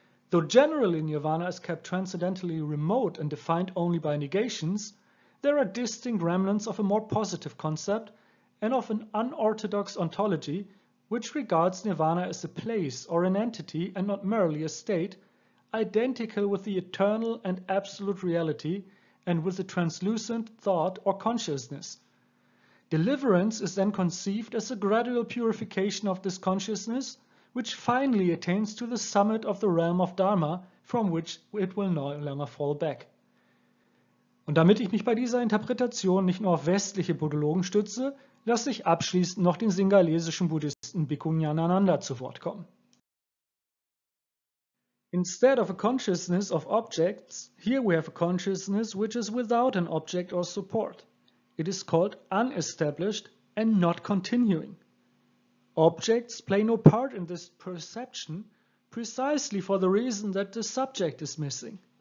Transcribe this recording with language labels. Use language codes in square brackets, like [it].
[en] Though generally nirvana is kept transcendentally remote and defined only by negations, there are distinct remnants of a more positive concept and of an unorthodox ontology which regards nirvana as a place or an entity and not merely a state, identical with the eternal and absolute reality and with the translucent thought or consciousness. Deliverance is then conceived as a gradual purification of this consciousness, which finally attains to the summit of the realm of Dharma, from which it will no longer fall back. [de] Und damit ich mich bei dieser Interpretation nicht nur auf westliche Buddhologen stütze, lasse ich abschließend noch den singhalesischen Buddhisten Bhikkhunyanananda zu Wort kommen. [en] Instead of a consciousness of objects, here we have a consciousness which is without an object or support. It is called unestablished and not continuing. Objects play no part in this perception precisely for the reason that the subject is missing.